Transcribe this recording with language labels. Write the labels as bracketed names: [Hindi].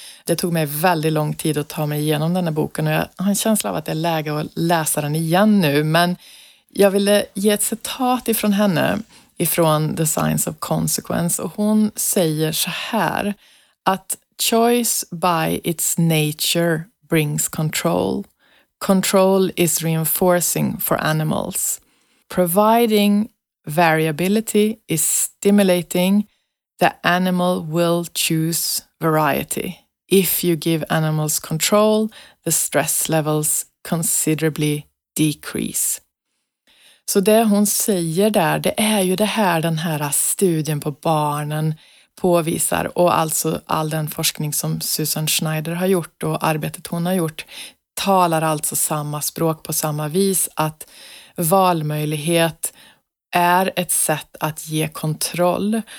[Swedish] Det tog mig väldigt lång tid att ta mig igenom den här boken, och jag har en känsla av att det är läge att läsa den igen nu. Men jag ville ge ett citat ifrån henne, ifrån The Science of Consequence, och hon säger så här, att [English] choice by its nature brings control. Control is reinforcing for animals. Providing variability is stimulating. The animal will choose variety. If you give animals control, the stress levels considerably decrease. [Swedish] Så det hon säger där, det är ju det här, den här studien på barnen påvisar, och alltså all den forskning som Susan Schneider har gjort och arbetet hon har gjort, talar alltså samma språk på samma vis, att valmöjlighet är ett sätt att ge kontroll.